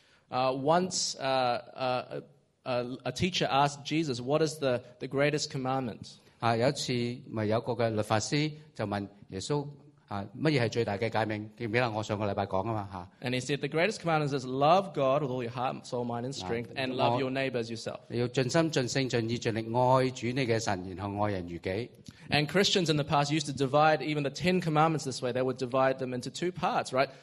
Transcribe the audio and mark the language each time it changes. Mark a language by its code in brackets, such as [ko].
[en] Once a teacher asked Jesus, "What is the greatest commandment?" [yue] 有一次咪有個嘅律法師就問耶穌。乜嘢係最大嘅戒命？記唔記得我上個禮拜講啊嘛？嚇！ [en] And he said the greatest commandment is love God with all your heart, soul, mind, and strength, and love your neighbour as yourself. [yue] 你要盡心、盡性、盡意、盡力愛主你嘅神，然後愛人如己。 [en] And Christians in the past used to divide even the 10 commandments this way. They would divide them into 2 parts, right?